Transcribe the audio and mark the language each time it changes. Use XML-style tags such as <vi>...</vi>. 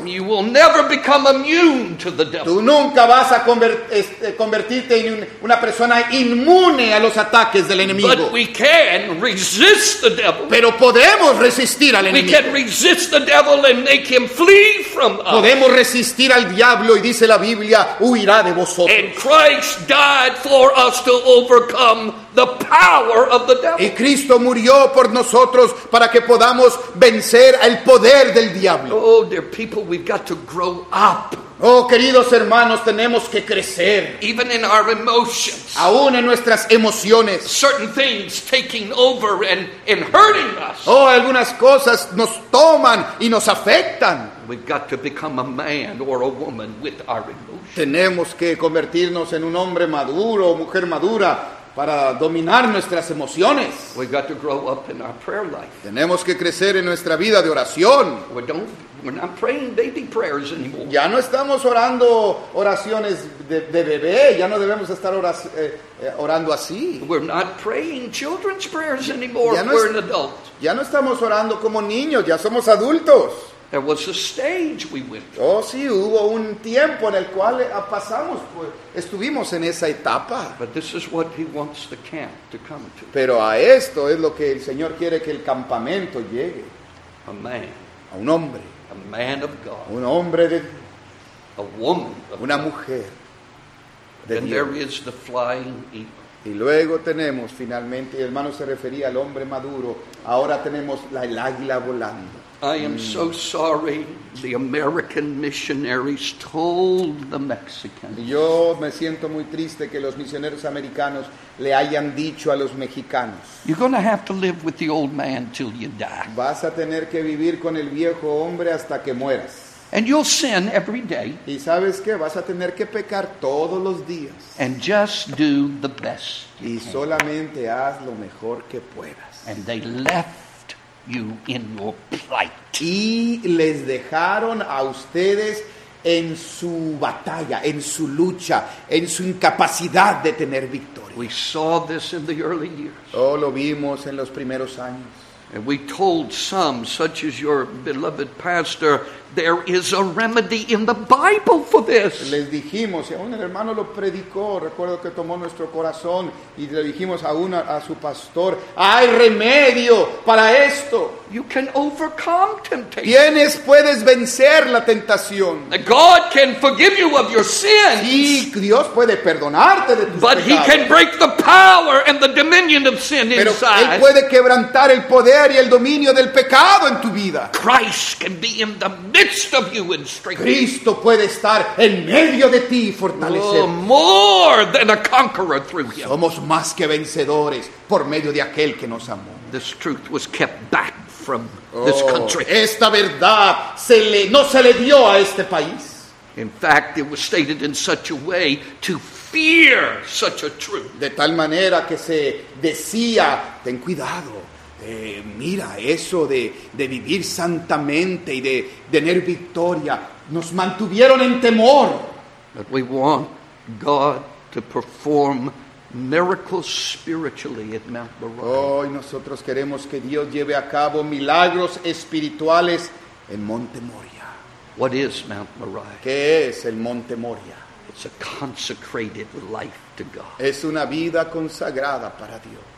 <en>You will never become immune to the devil.</en> <es>Tú nunca vas a convertirte en una persona inmune a los ataques del enemigo.</es> <en>But we can resist the devil.</en> <es>Pero podemos resistir al enemigo.</es> <en>We can resist the devil and make him flee from us.</en> <es>Podemos resistir al diablo y dice la Biblia, huirá de vosotros.</es> <en>And Christ died for us to overcome the power of the devil.</en> <es>Y Cristo murió por nosotros para que podamos vencer el poder del diablo.</es> <en>Oh, dear people, we've got to grow up.</en> <es>Oh, queridos hermanos, tenemos que crecer.</es> <en>Even in our emotions.</en> <es>Aún en nuestras emociones.</es> <en>Certain things taking over and hurting us.</en> <es>Oh, algunas cosas nos toman y nos afectan.</es> <en>We've got to become a man or a woman with our emotions.</en> <es>Tenemos que convertirnos en un hombre maduro o mujer madura para dominar nuestras emociones.</es> <en>We got to grow up in our prayer life.</en> <es>Tenemos que crecer en nuestra vida de oración.</es> <en>We're not praying baby prayers anymore.</en> <es>Ya no estamos orando oraciones de bebé. Ya no debemos estar orando así.</es> <en>We're not praying children's prayers anymore. We're an adult.</en> <es>Ya no estamos orando como niños. Ya somos adultos.</es> <en>There was a stage we went through.</en> <es>Oh, sí, hubo un tiempo en el cual pasamos, pues, estuvimos en esa etapa.</es> <en>But this is what he wants the camp to come to.</en> <es>Pero a esto es lo que el Señor quiere que el campamento llegue.</es> <en>A man.</en> <es>A un hombre.</es> <en>A man of God.</en> <es>Un hombre de</es> <en>a woman.</en> <es>Una mujer.</es> <en>Then there is the flying eagle.</en> <es>Y luego tenemos finalmente, y el hermano se refería al hombre maduro, ahora tenemos el águila volando.</es> <en>I am so sorry the American missionaries told the Mexicans.</en> <es>Yo me siento muy triste que los misioneros americanos le hayan dicho a los mexicanos.</es> <en>You're going to have to live with the old man till you die.</en> <es>Vas a tener que vivir con el viejo hombre hasta que mueras.</es> <en>And you'll sin every day.</en> <es>Y sabes qué, vas a tener que pecar todos los días.</es> <en>And just do the best you can.</en> <es>Y solamente haz lo mejor que puedas.</es> <en>And they left you in your plight.</en> <es>Y les dejaron a ustedes en su batalla, en su lucha, en su incapacidad de tener victoria.</es> <en>We saw this in the early years.</en> <es>Oh, lo vimos en los primeros años.</es> <en>And we told some, such as your beloved pastor, there is a remedy in the Bible for this.</en> <es>Les dijimos, y aún el hermano lo predicó, recuerdo que tomó nuestro corazón, y le dijimos aún a su pastor, hay remedio para esto.</es> <en>You can overcome temptation.</en> <es>Tienes, puedes vencer la tentación.</es> <en>God can forgive you of your sins.</en> <es>Sí, Dios puede perdonarte de tus pecados.</es> <en>But he can break the power and the dominion of sin inside.</en> <es>Pero él puede quebrantar el poder y el dominio del pecado en tu vida.</es> <en>Christ can be in the midst of you and strengthen.</en> <es>Cristo puede estar en medio de ti y fortalecer.</es> <en>Oh, more than a conqueror through him.</en> <es>Somos más que vencedores por medio de aquel que nos amó.</es> <en>This truth was kept back from this country.</en> <es>Esta verdad no se le dio a este país.</es> <en>In fact, it was stated in such a way to fear such a truth.</en> <es>De tal manera que se decía, ten cuidado. Mira, eso de vivir santamente y de tener victoria nos mantuvieron en temor.</es> <en>But we want God to perform miracles spiritually at Mount Moriah.</en> <es>Oh, nosotros queremos que Dios lleve a cabo milagros espirituales en Monte Moria.</es> <en>What is Mount Moriah?</en> <es>¿Qué es el Monte Moria?</es> <en>It's a consecrated life to God.</en> <es>Es una vida consagrada para Dios.</es>